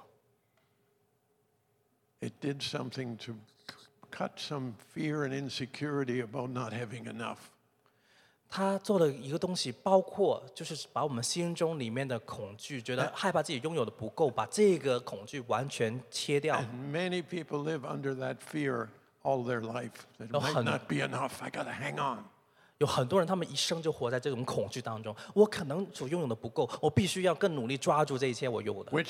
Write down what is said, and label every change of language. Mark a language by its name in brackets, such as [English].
[Chinese] 还有他的心中做了一个超乎逻辑能明白的一个工作。 [English] It did something to cut some fear and insecurity about not having enough. [Chinese] 他做了一个东西，包括就是把我们心中里面的恐惧，觉得害怕自己拥有的不够，把这个恐惧完全切掉。 [English] And many people live under that fear all their life. That might not be enough. I gotta hang on. [Chinese] 有很多人，他们一生就活在这种恐惧当中。我可能所拥有的不够，我必须要更努力抓住这一切我有的。 [English] Which